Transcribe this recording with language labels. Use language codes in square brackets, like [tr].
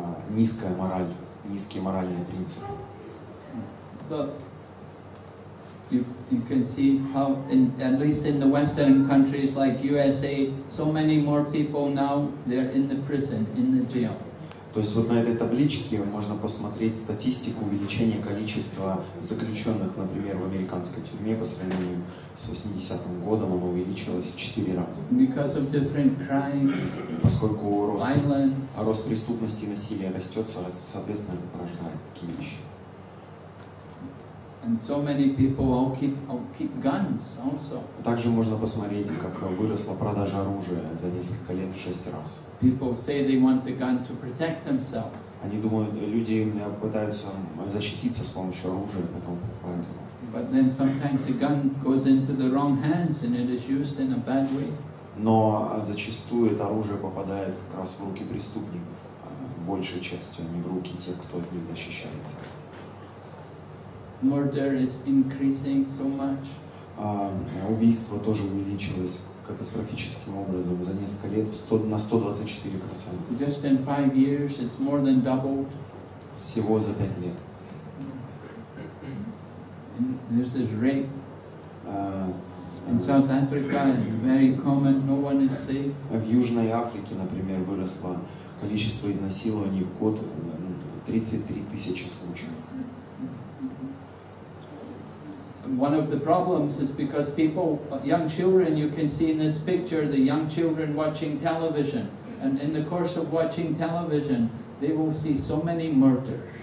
[ru] низкая мораль, низкие моральные принципы. [en] So, you can see how in at least in the Western countries like USA, so many more people now they're in the prison, in the jail. [ru] То есть вот на этой табличке можно посмотреть статистику увеличения количества заключенных, например, в американской тюрьме по сравнению с 80-м годом, оно увеличилось в 4 раза. [en] Because of different crimes, [ru] поскольку рост, [en] violence, [ru] рост преступности и насилия растет, соответственно, это порождает такие вещи. [en] And so many people all keep guns also. [ru] Также можно посмотреть, как выросла продажа оружия за несколько лет в 6 раз. [en] People say they want the gun to protect themselves. [ru] Они думают, люди пытаются защититься с помощью оружия, поэтому покупают его. [en] But then sometimes the gun goes into the wrong hands and it is used in a bad way. [ru] Но зачастую это оружие попадает как раз в руки преступников, большей частью, не в руки тех, кто от них защищается. [en] Murder is increasing so much. [ru] Убийство тоже увеличилось катастрофическим образом за несколько лет на 124%. [en] Just in 5 years, it's more than doubled. [ru] Всего за 5 лет. [en] And there's this rape. In South Africa, it's very common. No one is safe. [ru] В Южной Африке, например, выросло количество изнасилований в год 33 000 случаев. [en] One of the problems is because people, young children, you can see in this picture, the young children watching television. And in the course of watching television, they will see so many murders.